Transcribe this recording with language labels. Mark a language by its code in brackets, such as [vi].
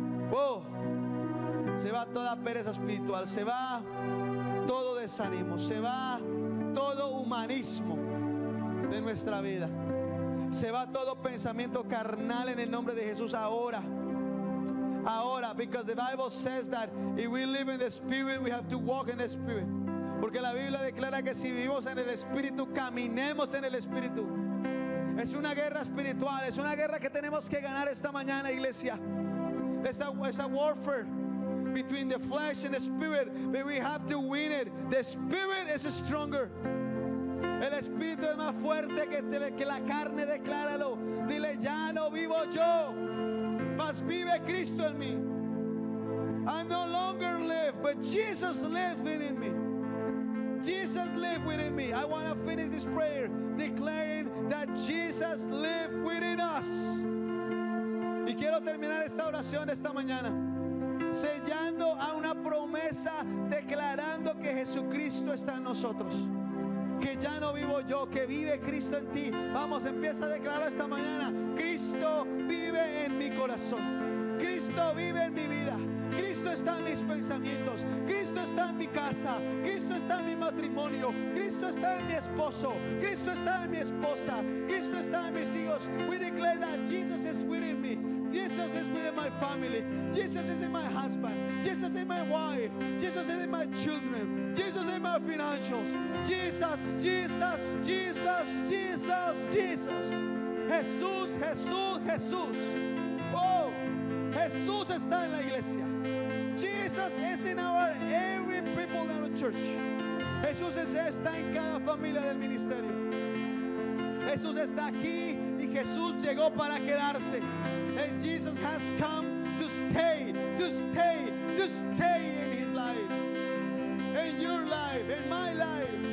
[es] Wow, se va toda pereza espiritual, se va todo desánimo, se va todo humanismo de nuestra vida. Se va todo pensamiento carnal en el nombre de Jesús ahora. Ahora, [en] because the Bible says that if we live in the Spirit, we have to walk in the Spirit. [es] Porque la Biblia declara que si vivimos en el Espíritu, caminemos en el Espíritu. Es una guerra espiritual, es una guerra que tenemos que ganar esta mañana, iglesia. [en] It's a warfare between the flesh and the Spirit, but we have to win it. The Spirit is stronger. [es] El Espíritu es más fuerte que la carne, decláralo. Dile, ya no vivo yo, mas vive Cristo en mí. [en] I no longer live, but Jesus lives within me. Jesus lives within me. I want to finish this prayer declaring that Jesus lives within us. [es] Y quiero terminar esta oración esta mañana sellando a una promesa, declarando que Jesucristo está en nosotros. Que ya no vivo yo, que vive Cristo en ti. Vamos, empieza a declarar esta mañana. Cristo vive en mi corazón. Cristo vive en mi vida. Cristo está en mis pensamientos. Cristo está en mi casa. Cristo está en mi matrimonio. Cristo está en mi esposo. Cristo está en mi esposa. Cristo está en mis hijos. [en] We declare that Jesus is within me. Jesus is within my family. Jesus is in my husband. Jesus is in my wife. Jesus is in my children. Jesus is in my financials. Jesus, Jesus, Jesus, Jesus, Jesus. [es] Jesús, Jesús, Jesús. Oh, Jesús está en la iglesia. [en] Jesus is in our every people in our church. [es] Jesús está en cada familia del ministerio. Jesús está aquí y Jesús llegó para quedarse. [en] And Jesus has come to stay, to stay, to stay in his life, in your life, in my life.